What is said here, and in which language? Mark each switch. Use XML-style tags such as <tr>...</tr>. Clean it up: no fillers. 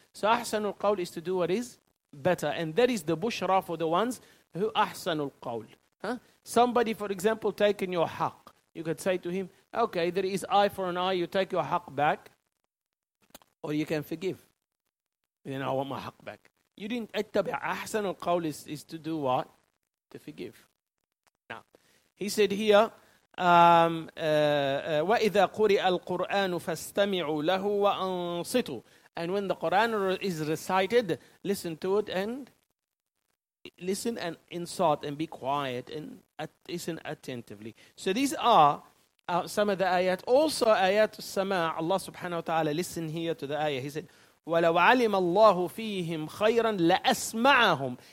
<en>So ahsanul qawl is to do what is better. And that is the bushra for the ones who ahsanul qawl. Huh? Somebody, for example, taking your haq. You could say to him, okay, there is eye for an eye, you take your haq back, or you can forgive. Then I want my haq back. You didn't attabi' ahsanul qawl is to do what? To forgive. Now, he said here,</en> <ar>وَإِذَا قُرِئَ الْقُرْآنُ فَاسْتَمِعُوا لَهُ وَأَنصِتُوا.</ar> <en>And when the Quran is recited, listen to it and listen and insert and be quiet and listen attentively. So these are some of the ayat. Also ayat al-sama'. Allah subhanahu wa ta'ala, listen here to the ayah. He said,</en> <ar>وَلَوْ عَلِمَ اللَّهُ فِيهِمْ خَيْرًا لَأَسْمَعَهُمْ.</ar>